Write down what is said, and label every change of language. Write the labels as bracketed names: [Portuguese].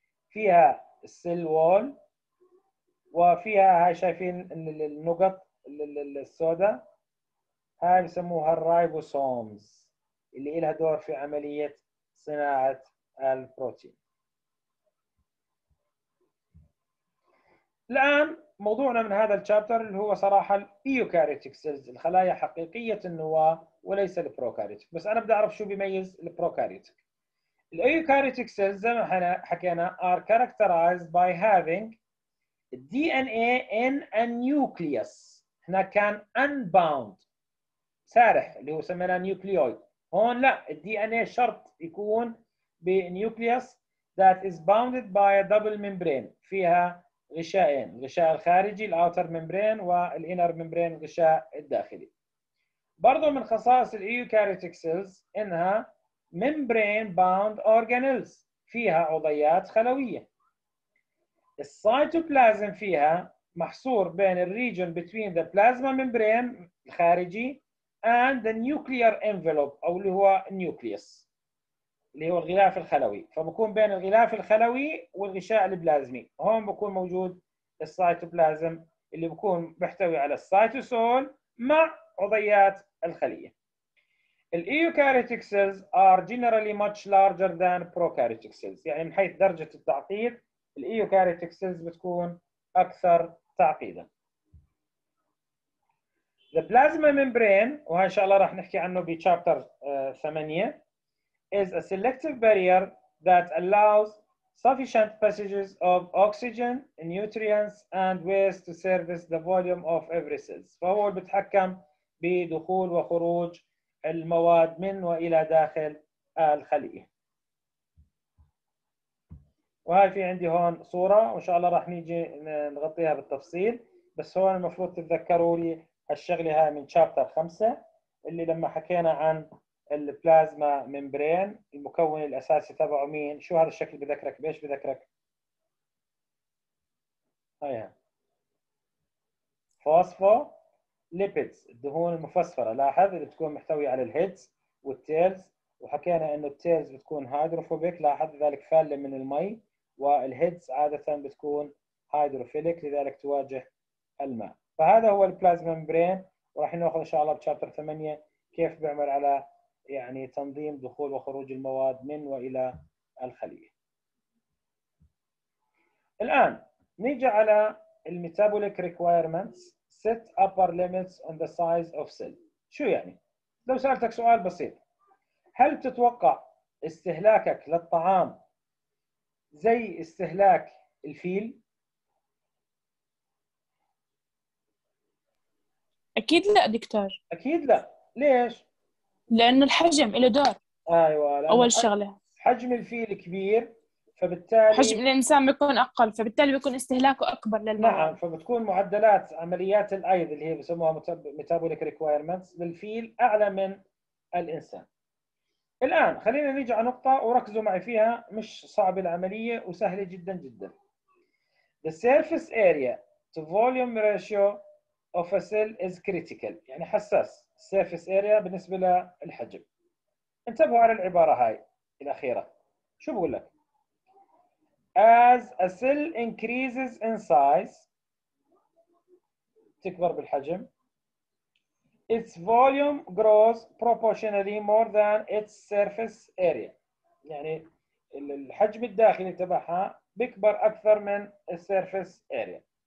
[Arabic] فيها السيل وول وفيها هاي شايفين النقط السوداء، هاي بسموها الرايبوسومز اللي إلها دور في عملية صناعة البروتين. الآن موضوعنا من هذا الشابتر اللي هو صراحة الإيوكاريوتيك سيلز، الخلايا حقيقية النواة وليس البروكاريوتيك. بس أنا بدي أعرف شو بيميز البروكاريوتيك. الإيوكاريوتيك سيلز زي ما حكينا [English] are characterized by having DNA in a nucleus. [Arabic] هنا كان unbound سارح اللي هو سميناه nucleoid، هون لا، DNA شرط يكون بنيوكليوس [English] that is bounded by a double membrane، [Arabic] فيها غشائين، الغشاء الخارجي الأوتر ممبرين والإنر ممبرين الغشاء الداخلي. برضو من خصائص الإيوكاريوتيك سيلز إنها ممبرين باوند أورجانيلز، فيها عضيات خلوية. السيتوبلازم فيها محصور بين الريجون بتوين the بلازما ممبرين الخارجي and the nuclear envelope أو اللي هو النيوكليوس اللي هو الغلاف الخلوي، فبكون بين الغلاف الخلوي والغشاء البلازمي، هون بكون موجود السيتوبلازم اللي بكون بيحتوي على السيتوسول مع عضيات الخلية. الإيوكاريوتيك سيلز [English] are generally much larger than prokaryotic cells، [Arabic] يعني من حيث درجة التعقيد الإيوكاريوتيك سيلز بتكون أكثر تعقيدا. [English] The plasma membrane، [Arabic] وهي إن شاء الله راح نحكي عنه بشابتر 8، [English] is a selective barrier that allows sufficient passages of oxygen, nutrients, and waste to service the volume of every cells. [Arabic] فهو بتحكم بدخول وخروج المواد من وإلى داخل الخلية. وهي في عندي هون صورة، وإن شاء الله راح نيجي نغطيها بالتفصيل، بس هون المفروض تتذكروا لي الشغلة هاي من شابتر 5 اللي لما حكينا عن البلازما ممبرين المكون الأساسي تبعه مين؟ شو هذا الشكل بذكرك؟ بيش بذكرك؟ هيا فوسفو ليبيدز، الدهون المفسفرة، لاحظ اللي بتكون محتوية على الهيدز والتيلز، وحكينا انه التيلز بتكون هيدروفوبيك، لاحظ ذلك فالة من المي، والهيدز عادة بتكون هيدروفيلك لذلك تواجه الماء. فهذا هو البلازما ممبرين، وراح ناخذ ان شاء الله بشابتر 8 كيف بيعمل على يعني تنظيم دخول وخروج المواد من وإلى الخلية. الآن نيجي على الميتابوليك ريكويرمنتس [English] set upper limits on the size of cell. [Arabic] شو يعني؟ لو سألتك سؤال بسيط، هل تتوقع استهلاكك للطعام زي استهلاك الفيل؟ أكيد لا دكتور. أكيد لا. ليش؟ لأن الحجم له دور. أيوة. أول شغلة. حجم الفيل كبير، فبالتالي حجم الإنسان بيكون أقل، فبالتالي بيكون استهلاكه أكبر للمواد. نعم، فبتكون معدلات عمليات الأيض اللي هي بسموها metabolic requirements للفيل أعلى من الإنسان. الآن خلينا نيجي على نقطة وركزوا معي فيها، مش صعب العملية وسهلة جدا جدا. [English] The surface area to volume ratio of a cell is critical، [Arabic] يعني حساس [English] surface area [Arabic] بالنسبة للحجم. انتبهوا على العبارة هاي الأخيرة، شو بقول لك؟ [English] As a cell increases in size، [Arabic] تكبر بالحجم، [English] its volume grows proportionally more than its surface area، [Arabic] يعني الحجم الداخلي تبعها بيكبر أكثر من surface area.